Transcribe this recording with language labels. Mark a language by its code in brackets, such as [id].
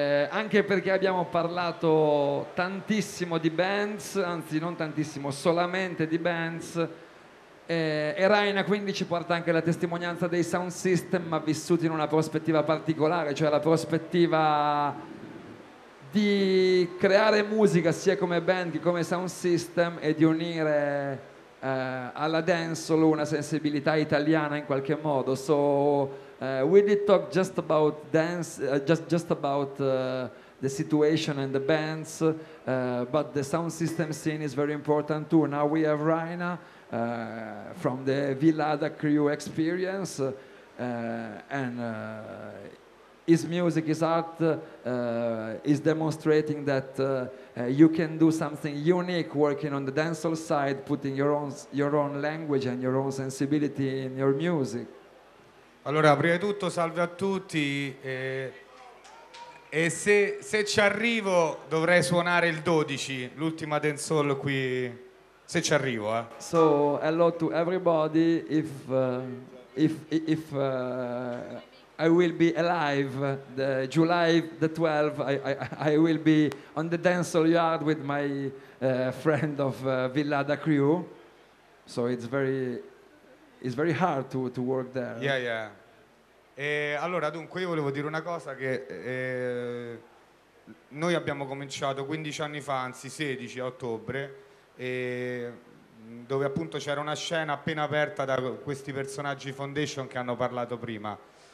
[it] Anche perché abbiamo parlato tantissimo di bands, anzi non tantissimo, solamente di bands, e Raina quindi ci porta anche la testimonianza dei sound system, ma vissuti in una prospettiva particolare, cioè la prospettiva di creare musica sia come band che come sound system, e di unire alla dancehall una sensibilità italiana in qualche modo. [en] So we did talk just about dance, just about the situation and the bands, but the sound system scene is very important too. Now we have Raina from the Villada crew experience, and his music, his art is demonstrating that you can do something unique working on the dancehall side, putting your own language and your own sensibility in your music. [it] Allora, prima di tutto, salve a tutti, e se ci arrivo dovrei suonare il 12, l'ultima dancehall qui, se ci arrivo. [en] So, hello to everybody, if I will be alive the July the 12th. I will be on the dancehall yard with my friend of Villa da Crew. So it's very hard to work there. Yeah, yeah. [it] E allora, dunque, io volevo dire una cosa che noi abbiamo cominciato 15 anni fa, anzi 16 a ottobre, e dove appunto c'era una scena appena aperta da questi personaggi Foundation che hanno parlato prima.